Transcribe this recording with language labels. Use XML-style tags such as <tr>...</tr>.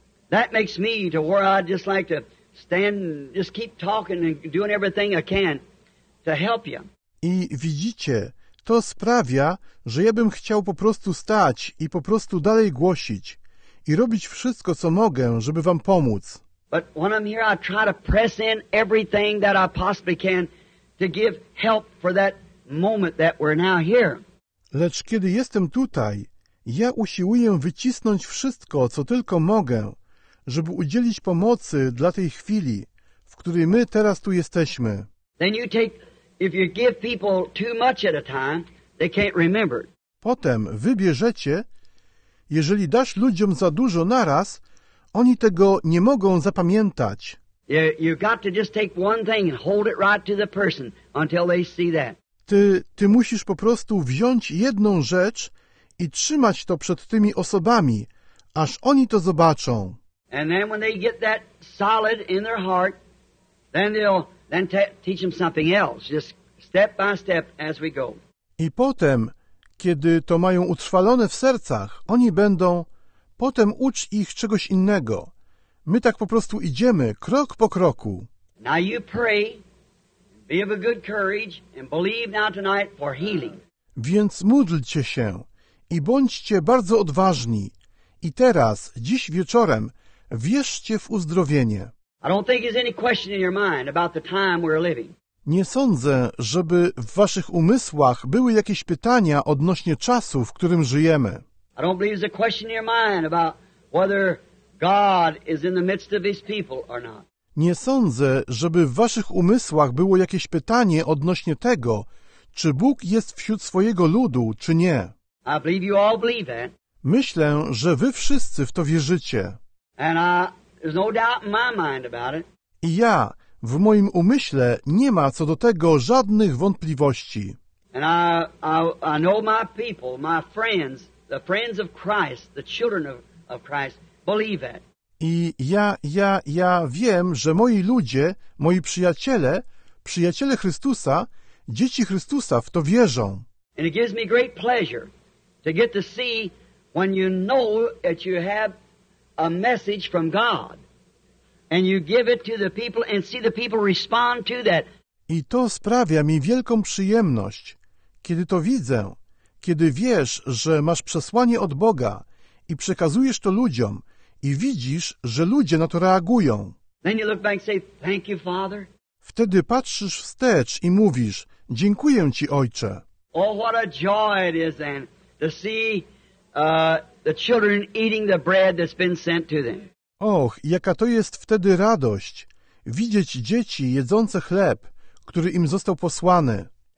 <en>That makes me to where I'd just like to stand and just keep talking and doing everything I can to help you.</en> <pl>I widzicie, to sprawia, że ja bym chciał po prostu stać i po prostu dalej głosić i robić wszystko, co mogę, żeby wam pomóc.</pl> <en>But when I'm here, I try to press in everything that I possibly can to give help for that moment that we're now here.</en> <pl>Lecz kiedy jestem tutaj, ja usiłuję wycisnąć wszystko, co tylko mogę, żeby udzielić pomocy dla tej chwili, w której my teraz tu jesteśmy.</pl> <en>Then you take If you give people too much at a time, they can't remember.</en> <pl>Potem wybierzecie, jeżeli dasz ludziom za dużo naraz, oni tego nie mogą zapamiętać.</pl> <en>You got to just take one thing and hold it right to the person until they see that.</en> <pl>Ty musisz po prostu wziąć jedną rzecz i trzymać to przed tymi osobami, aż oni to zobaczą.</pl> <en>And then when they get that solid in their heart, then they'll then teach them something else, just step by step as we go.</en> <pl>I potem, kiedy to mają utrwalone w sercach, oni będą, potem ucz ich czegoś innego. My tak po prostu idziemy, krok po kroku.</pl> <en>Now you pray, be of a good courage, and believe now tonight for healing.</en> <pl>Więc módlcie się i bądźcie bardzo odważni. I teraz, dziś wieczorem, wierzcie w uzdrowienie.</pl> <en>I don't think there's any question in your mind about the time we're living.</en> <pl>Nie sądzę, żeby w waszych umysłach były jakieś pytania odnośnie czasu, w którym żyjemy.</pl> <en>I don't believe there's a question in your mind about whether God is in the midst of his people or not.</en> <pl>Nie sądzę, żeby w waszych umysłach było jakieś pytanie odnośnie tego, czy Bóg jest wśród swojego ludu, czy nie.</pl> <en>I believe you all believe that.</en> <pl>Myślę, że wy wszyscy w to wierzycie.</pl> <en>And I, there's no doubt in my mind about it.</en> <pl>I ja, w moim umyśle nie ma co do tego żadnych wątpliwości.</pl> <en>And I know my people, my friends, the friends of Christ, the children of Christ, believe that.</en> <pl>I ja wiem, że moi ludzie, moi przyjaciele, przyjaciele Chrystusa, dzieci Chrystusa w to wierzą.</pl> <en>And it gives me great pleasure to get to see when you know that you have a message from God. And you give it to the people and see the people respond to that.</en> <pl>I to sprawia mi wielką przyjemność, kiedy to widzę, kiedy wiesz, że masz przesłanie od Boga i przekazujesz to ludziom i widzisz, że ludzie na to reagują.</pl> <en>Then you look back and say, thank you, Father.</en> <pl>Wtedy patrzysz wstecz i mówisz, dziękuję Ci, Ojcze.</pl> <en>Oh, what a joy it is then to see the children eating the bread that's been sent to them.</en> <pl>Och, jaka to jest wtedy radość widzieć dzieci jedzące chleb, który im został posłany.</pl>